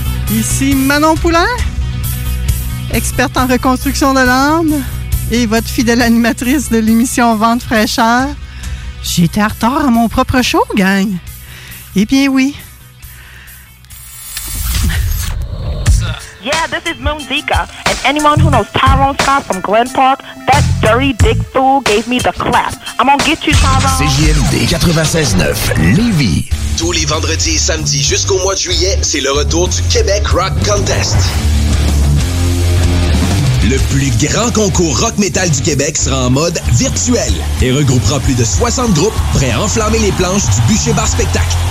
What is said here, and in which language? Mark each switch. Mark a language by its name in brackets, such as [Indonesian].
[French] Ici Manon Poulain, experte en reconstruction de l'âme et votre fidèle animatrice de l'émission Vent Fraîcheur. J'étais en retard à mon propre show, gang! Eh bien, oui. [English] Yeah, this is Moonzika, and anyone who knows Tyrone Scott from Glen Park, that dirty dick fool gave me the clap. I'm gonna get you, Tyrone. [French] CJMD 96.9, Lévis. Tous les vendredis et samedis jusqu'au mois de juillet, c'est le retour du Québec Rock Contest. Le plus grand concours rock metal du Québec sera en mode virtuel et regroupera plus de 60 groupes prêts à enflammer les planches du Bûcher Bar Spectacle.